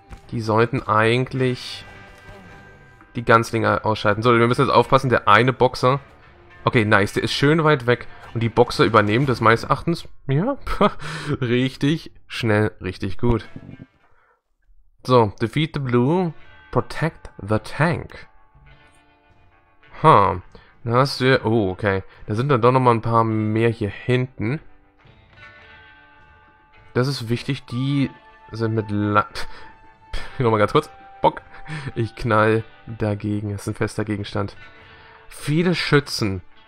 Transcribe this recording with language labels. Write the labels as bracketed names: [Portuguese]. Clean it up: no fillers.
[German] Die sollten eigentlich die Ganzlinge ausschalten. So, wir müssen jetzt aufpassen, der eine Boxer. Okay, nice, der ist schön weit weg. Und die Boxer übernehmen das meines Erachtens. Ja, richtig schnell, richtig gut. [English] So, defeat the blue, protect the tank. [German] Da hast du ja, oh, okay. Da sind dann doch nochmal ein paar mehr hier hinten. Das ist wichtig, die sind mit nochmal ganz kurz. Bock. Ich knall dagegen. Das ist ein fester Gegenstand. Viele Schützen.